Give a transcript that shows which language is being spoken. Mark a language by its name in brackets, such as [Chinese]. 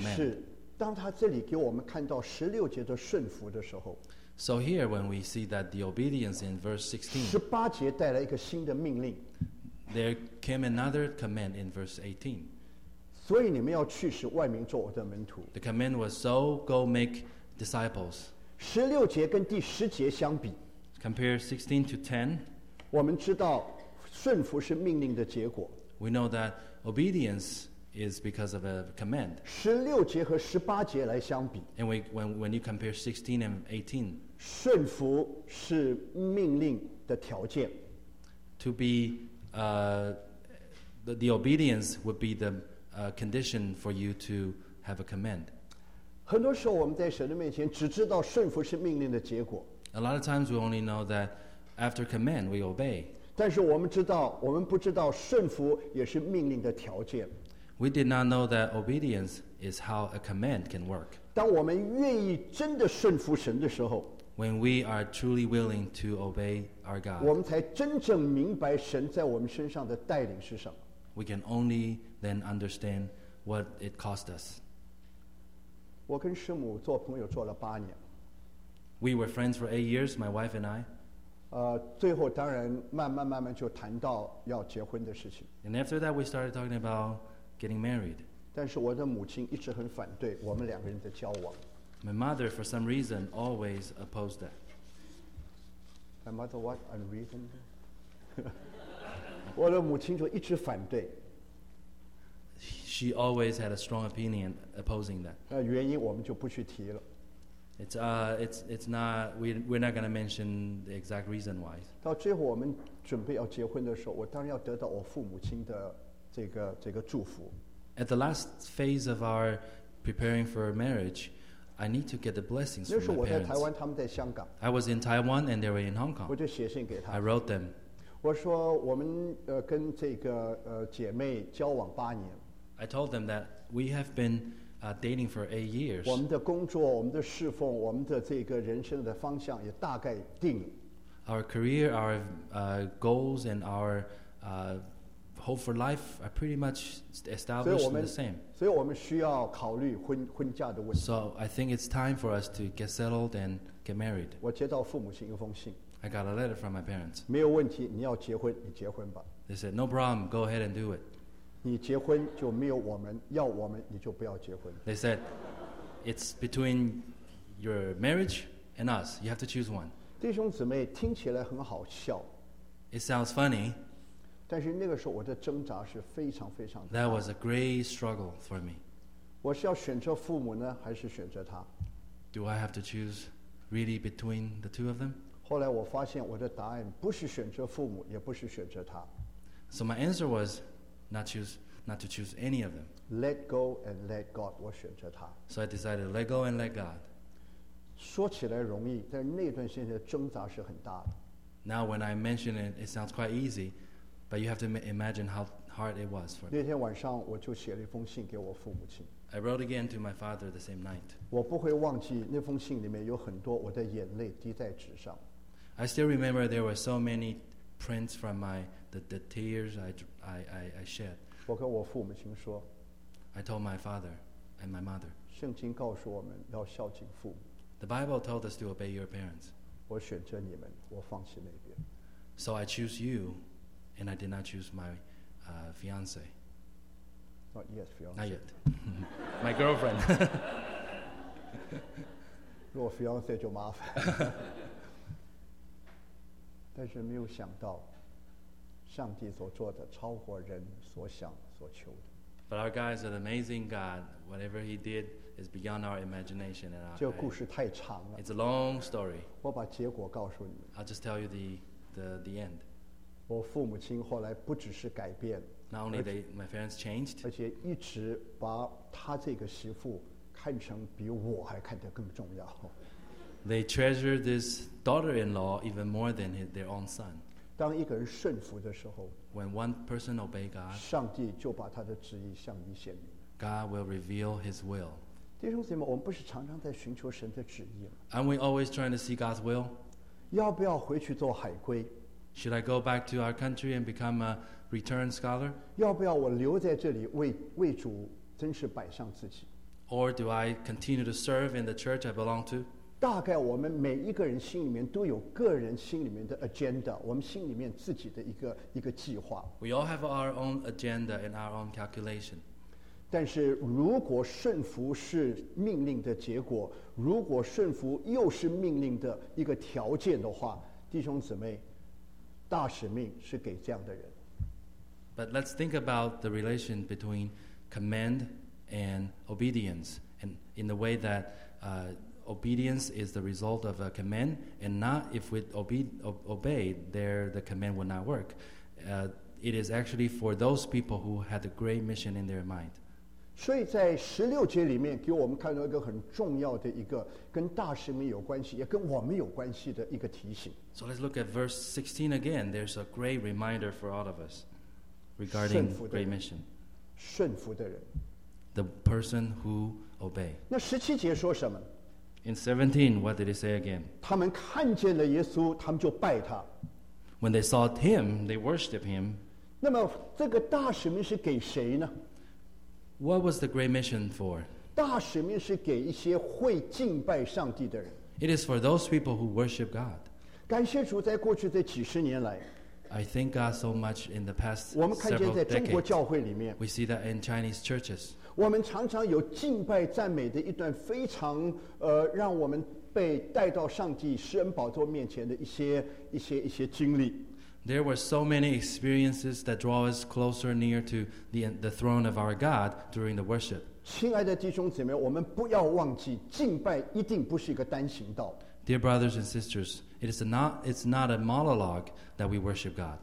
[Chinese] 但是当他这里给我们看到十六节的顺服的时候。 [English] So here, when we see that the obedience in verse 16, [Chinese] 十八节带来一个新的命令。 [English] There came another command in verse 18. [Chinese] 所以你们要去使万民做我的门徒。 [English] The command was so go make disciples. [Chinese] 十六节跟第十节相比。 [English] Compare 16 to 10. [Chinese] 我们知道顺服是命令的结果。 [English] We know that obedience is because of a command. [Chinese] 16节和18节来相比, [English] and we, when you compare 16 and 18, [Chinese] 顺服是命令的条件。 [English] To be, the obedience would be the condition for you to have a command. [Chinese] 很多时候我们在神的面前只知道顺服是命令的结果。 [English] A lot of times we only know that after command we obey. [Chinese] 但是我们知道，我们不知道顺服也是命令的条件。 [English] We did not know that obedience is how a command can work. [Chinese] 当我们愿意真的顺服神的时候, [English] when we are truly willing to obey our God, [Chinese] 我们才真正明白神在我们身上的带领是什么。 [English] We can only then understand what it cost us. [Chinese] 我跟师母做朋友做了八年。 [English] We were friends for 8 years, my wife and I. [Chinese] 最后当然慢慢慢慢就谈到要结婚的事情。 [English] And after that, we started talking about getting married. [Chinese] 但是我的母亲一直很反对我们两个人的交往。 [English] My mother, for some reason, always opposed that. My mother, what unreason? [Chinese] 我的母亲就一直反对。 [English] She always had a strong opinion opposing that. [Chinese] 原因我们就不去提了。 [English] We're not going to mention the exact reason why. [Chinese] 到最后我们准备要结婚的时候，我当然要得到我父母亲的这个祝福。 [English] At the last phase of our preparing for marriage, I need to get the blessings from my parents. [Chinese] 那时候我在台湾，他们在香港。 [English] I was in Taiwan and they were in Hong Kong. [Chinese] 我就写信给他。 [English] I wrote them. [Chinese] 我说我们跟这个姐妹交往八年。 [English] I told them that we have been dating for 8 years. [Chinese] 我们的工作，我们的侍奉，我们的这个人生的方向也大概定。 [English] Our career, our goals, and our hope for life are pretty much established in the same. [Chinese] 所以我们需要考虑婚嫁的问题。 [English] So I think it's time for us to get settled and get married. [Chinese] 我接到父母亲一封信。 [English] I got a letter from my parents. [Chinese] 没有问题，你要结婚，你结婚吧。 [English] They said, no problem, go ahead and do it. [Chinese] 你结婚就没有我们，要我们你就不要结婚。 [English] They said, it's between your marriage and us. You have to choose one. [Chinese] 弟兄姊妹，听起来很好笑。 [English] It sounds funny. [Chinese] 但是那个时候我的挣扎是非常非常大。 [English] That was a great struggle for me. [Chinese] 我是要选择父母呢，还是选择他？ [English] Do I have to choose really between the two of them? [Chinese] 后来我发现我的答案不是选择父母，也不是选择他。 [English] So my answer was not to choose any of them. Let go and let God. [Chinese] 我选择他。 [English] So I decided let go and let God. [Chinese] 说起来容易，但是那段时间的挣扎是很大的。 [English] Now when I mention it, it sounds quite easy. But you have to imagine how hard it was for me. [Chinese] 那天晚上我就写了一封信给我父母亲。 [English] I wrote again to my father the same night. [Chinese] 我不会忘记那封信里面有很多我的眼泪滴在纸上。 [English] I still remember there were so many prints from the tears I shed. [Chinese] 我跟我父母亲说。 [English] I told my father and my mother. [Chinese] 圣经告诉我们要孝敬父母。 [English] The Bible told us to obey your parents. [Chinese] 我选择你们，我放弃那边。 [English] So I choose you. And I did not choose my fiance. Not yet, fiance. Not yet. My girlfriend. [Chinese] 如果 fiance 就麻烦。但是没有想到，上帝所做的超过人所想所求的。 [English] But our God is an amazing God. Whatever He did is beyond our imagination. And [Chinese] 这个故事太长了。 [English] It's a long story. [Chinese] 我把结果告诉你。 [English] I'll just tell you the end. [Chinese] 我父母亲后来不只是改变 [English] Not only they, my parents changed [Chinese] 而且一直把他这个媳妇看成比我还看得更重要 [English] They treasured this daughter-in-law even more than their own son [Chinese] 当一个人顺服的时候 [English] When one person obeyed God [Chinese] 上帝就把他的旨意向你显明 [English] God will reveal His will [Chinese] 弟兄姊妹我们不是常常在寻求神的旨意吗 [English] Aren't we always trying to see God's will [Chinese] 要不要回去做海归 [English] Should I go back to our country and become a return scholar? [Chinese] 要不要我留在这里为主真是摆上自己? [English] Or do I continue to serve in the church I belong to? [Chinese] 大概我们每一个人心里面都有个人心里面的 agenda, 我们心里面自己的一个计划。 [English] We all have our own agenda and our own calculation. [Chinese] 但是如果顺服是命令的结果,如果顺服又是命令的一个条件的话,弟兄姊妹,大使命是给这样的人。 [English] But let's think about the relation between command and obedience. And in the way that obedience is the result of a command, and not if we obey, there the command will not work. It is actually for those people who had a great mission in their mind. [Chinese] 所以在十六节里面给我们看到一个很重要的一个跟大使命有关系也跟我们有关系的一个提醒。 [English] So let's look at verse 16 again. There's a great reminder for all of us regarding great mission. [Chinese] 顺服的人。 [English] The person who obey. [Chinese] 那十七节说什么？ [English] In 17, what did he say again? [Chinese] 他们看见了耶稣，他们就拜他。 [English] When they saw him, they worshiped him. [Chinese] 那么这个大使命是给谁呢？ [English] What was the great mission for? [Chinese] 大使命是给一些会敬拜上帝的人。 [English] It is for those people who worship God. [Chinese] 感谢主，在过去这几十年来。 [English] I thank God so much in the past several decades. [Chinese] 我们看见在中国教会里面。 [English] We see that in Chinese churches. [Chinese] 我们常常有敬拜赞美的一段非常让我们被带到上帝施恩宝座面前的一些经历。 [English] There were so many experiences that draw us closer near to the throne of our God during the worship. [Chinese] 亲爱的弟兄姊妹，我们不要忘记，敬拜一定不是一个单行道。 [English] Dear brothers and sisters, it's not a monologue that we worship God.